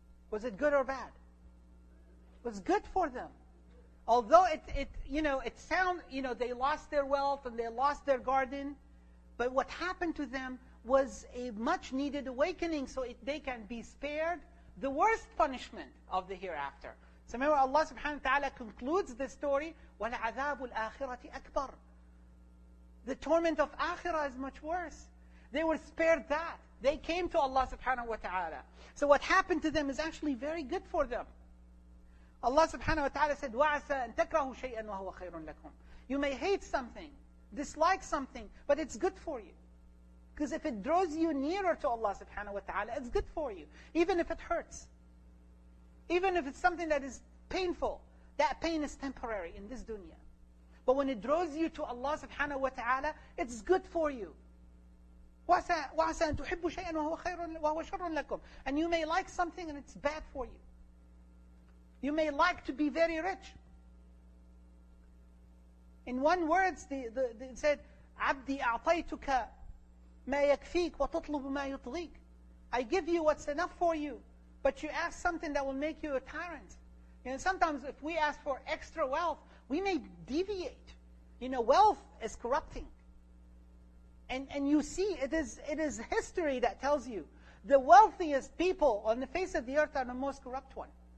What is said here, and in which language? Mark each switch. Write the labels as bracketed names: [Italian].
[English] Was it good or bad? It was good for them. Although it sounds, they lost their wealth and they lost their garden, but what happened to them was a much needed awakening so they can be spared the worst punishment of the hereafter. So remember, Allah subhanahu wa ta'ala concludes the story, [Arabic] وَالْعَذَابُ الْآخِرَةِ أَكْبَرُ. [English] The torment of Akhirah is much worse. They were spared that. They came to Allah subhanahu wa ta'ala. So what happened to them is actually very good for them. Allah subhanahu wa ta'ala said, [Arabic] وَعَسَىٰ أَن تَكْرَهُ شَيْئًا وَهُوَ خَيْرٌ لَكُمْ. [English] You may hate something, dislike something, but it's good for you. Because if it draws you nearer to Allah subhanahu wa ta'ala, it's good for you. Even if it hurts. Even if it's something that is painful, that pain is temporary in this dunya. But when it draws you to Allah subhanahu wa ta'ala, it's good for you. [Arabic] وَعَسَىٰ أَن تُحِبُّ شَيْئًا وَهُوَ شَرٌ لَكُمْ. [English] And you may like something and it's bad for you. You may like to be very rich. In one word, it said, [Arabic] عَبْدِي أَعْطَيْتُكَ مَا يَكْفِيكَ وَتُطْلُبُ مَا يُطْلِيكَ. [English] I give you what's enough for you, but you ask something that will make you a tyrant. You know, sometimes if we ask for extra wealth, we may deviate. You know, wealth is corrupting. And you see, it is history that tells you the wealthiest people on the face of the earth are the most corrupt ones.